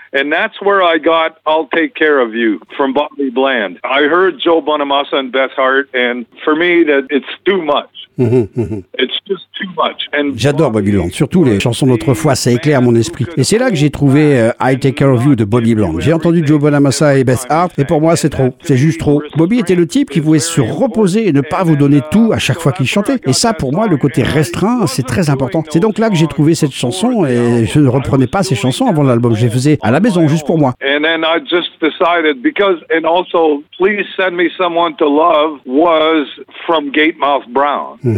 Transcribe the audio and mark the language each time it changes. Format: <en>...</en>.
<en>And that's where I got I'll Take Care of You from Bobby Bland. I heard Joe Bonamassa and Beth Hart, and for me, that it's too much. It's just too much. And</en> <fr>j'adore Bobby Bland, surtout les chansons d'autrefois, ça éclaire mon esprit. Et c'est là que j'ai trouvé I Take Care of You de Bobby Bland. J'ai entendu Joe Bonamassa et Beth Hart, et pour moi, c'est trop. C'est juste trop. Bobby était le type qui pouvait se reposer et ne pas vous donner tout à chaque fois qu'il chantait. Et ça, pour moi, le côté restreint, c'est très important. C'est donc là que j'ai trouvé cette chanson, et je ne reprenais pas ces chansons avant l'album. Je les faisais à la maison, juste pour moi.</fr> <en>And then I just decided, because, and also, Please Send Me Someone to Love was from Gate Mouth Brown.</en>